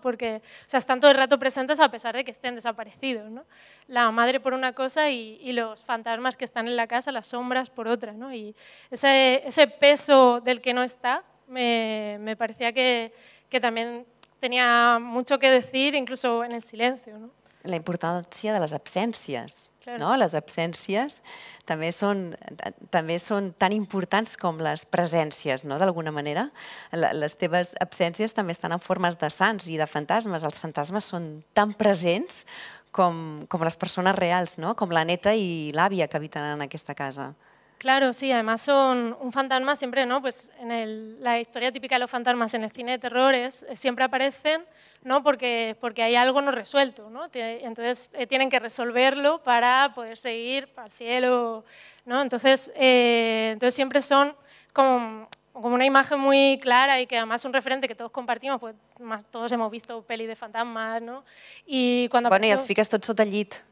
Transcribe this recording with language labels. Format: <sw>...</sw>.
<es>Porque, o sea, están todo el rato presentes a pesar de que estén desaparecidos, ¿no? La madre por una cosa y los fantasmas que están en la casa, las sombras por otra, ¿no? Y ese peso del que no está me parecía que también tenía mucho que decir, incluso en el silencio, ¿no?</es> <ca>La importància de les absències, claro. No? Les absències també són tan importants com les presències, no? D'alguna manera, les teves absències també estan en formes de sants i de fantasmes. Els fantasmes són tan presents com les persones reals, no? Com la neta i l'àvia que habiten en aquesta casa.</ca> <es>Claro, sí, además son un fantasma siempre, ¿no? Pues en la historia típica de los fantasmas en el cine de terror es siempre aparecen, ¿no? Porque hay algo no resuelto, ¿no? Entonces tienen que resolverlo para poder seguir al cielo, ¿no? Entonces siempre son como una imagen muy clara y que además es un referente que todos compartimos, pues más todos hemos visto peli de fantasmas, ¿no? Y cuando bueno,</es> <ca>y els fiques tot sota el llit.</ca>